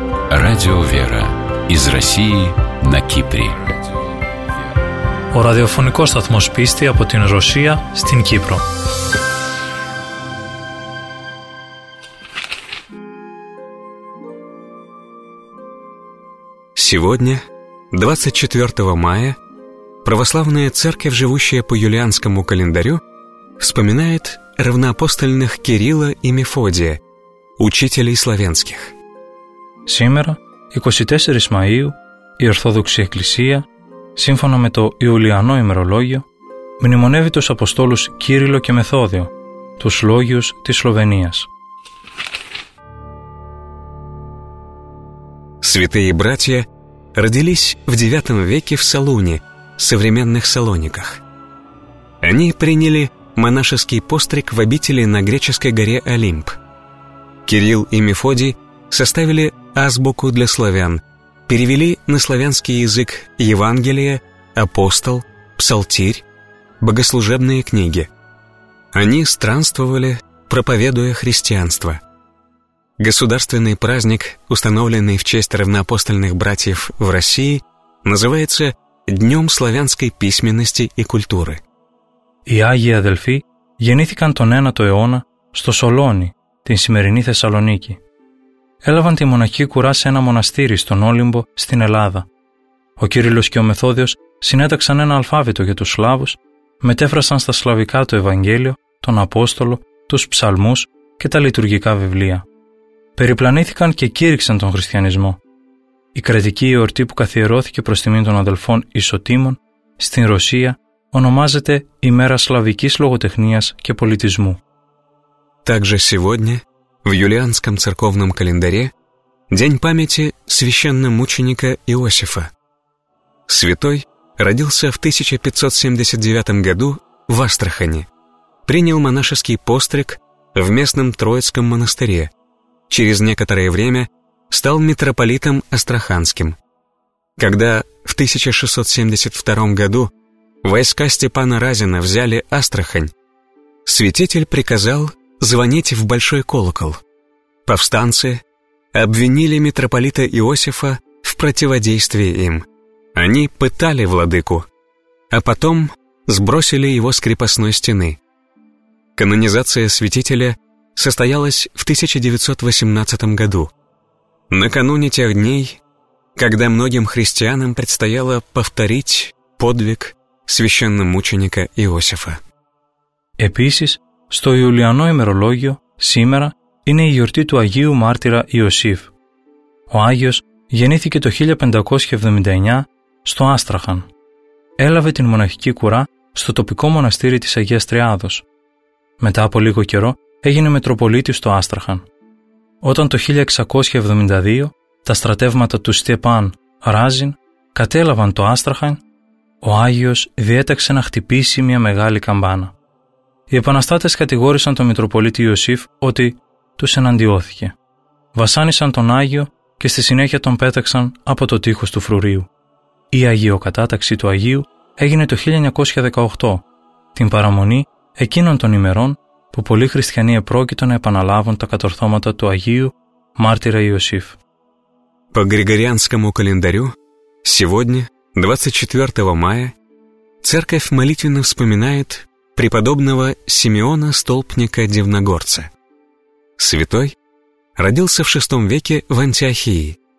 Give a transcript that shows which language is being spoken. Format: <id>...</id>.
<ru>Радио «Вера» из России на Кипре.</ru> <el>Ο ραδιοφωνικός σταθμός πίστη από την Ρωσία στην Κύπρο.</el> <ru>Сегодня, 24 мая, православная церковь, живущая по юлианскому календарю, вспоминает равноапостольных Кирилла и Мефодия, учителей славянских. Сегодня, 24 мая,</ru> <el>η Ορθόδοξη Εκκλησία, σύμφωνα με το Ιουλιανό ημερολόγιο, μνημονεύει τους Αποστόλους Κύριλο και Μεθόδιο, τους Λόγιους της Σλοβενίας.</el> <ru>Святые братья родились в IX веке в Солуне, современных Салониках. Они приняли монашеский постриг в обители на греческой горе Олимп. Кирилл и Мефодий составили азбуку для славян, перевели на славянский язык Евангелие, Апостол, Псалтирь, богослужебные книги. Они странствовали, проповедуя христианство. Государственный праздник, установленный в честь равноапостольных братьев в России, называется Днем славянской письменности и культуры.</ru> <el>Οι Άγιοι Αδελφοί γεννήθηκαν τον 9ο αιώνα στο Σολόνι, την σημερινή Θεσσαλονίκη. Έλαβαν τη μοναχή κουρά σε ένα μοναστήρι στον Όλυμπο, στην Ελλάδα. Ο Κύριλλος και ο Μεθόδιος συνέταξαν ένα αλφάβητο για τους Σλάβους, μετέφρασαν στα Σλαβικά το Ευαγγέλιο, τον Απόστολο, τους Ψαλμούς και τα λειτουργικά βιβλία. Περιπλανήθηκαν και κήρυξαν τον Χριστιανισμό. Η κρατική εορτή που καθιερώθηκε προς τιμήν των αδελφών Ισοτήμων στην Ρωσία ονομάζεται Ημέρα Σλαβικής Λογοτεχνίας και Πολιτισμού.</el> <ru>Также сегодня, в юлианском церковном календаре, день памяти священномученика Иосифа. Святой родился в 1579 году в Астрахани. Принял монашеский постриг в местном Троицком монастыре. Через некоторое время стал митрополитом астраханским. Когда в 1672 году войска Степана Разина взяли Астрахань, святитель приказал звонить в большой колокол. Повстанцы обвинили митрополита Иосифа в противодействии им. Они пытали владыку, а потом сбросили его с крепостной стены. Канонизация святителя состоялась в 1918 году. Накануне тех дней, когда многим христианам предстояло повторить подвиг священномученика Иосифа.</ru> <el>Επίσης, στο Ιουλιανό ημερολόγιο, σήμερα, είναι η γιορτή του Αγίου Μάρτυρα Ιωσήφ. Ο Άγιος γεννήθηκε το 1579 στο Άστραχαν. Έλαβε την μοναχική κουρά στο τοπικό μοναστήρι της Αγίας Τριάδος. Μετά από λίγο καιρό, έγινε Μετροπολίτης στο Άστραχαν. Όταν το 1672 τα στρατεύματα του Στέπαν Ράζιν κατέλαβαν το Άστραχαν, ο Άγιος διέταξε να χτυπήσει μια μεγάλη καμπάνα. Οι επαναστάτες κατηγόρησαν τον Μητροπολίτη Ιωσήφ ότι τους εναντιώθηκε. Βασάνισαν τον Άγιο και στη συνέχεια τον πέταξαν από το τείχος του φρουρίου. Η αγιοκατάταξη του Αγίου έγινε το 1918, την παραμονή εκείνων των ημερών που πολλοί χριστιανοί επρόκειτο να επαναλάβουν τα κατορθώματα του Αγίου Μάρτυρα Ιωσήφ.</el> <ru>По Григорианскому календарю, сегодня, 24 мая, церковь молитвенно вспоминает преподобного Симеона Столпника Дивногорца. Святой родился в VI веке в Антиохии.</ru>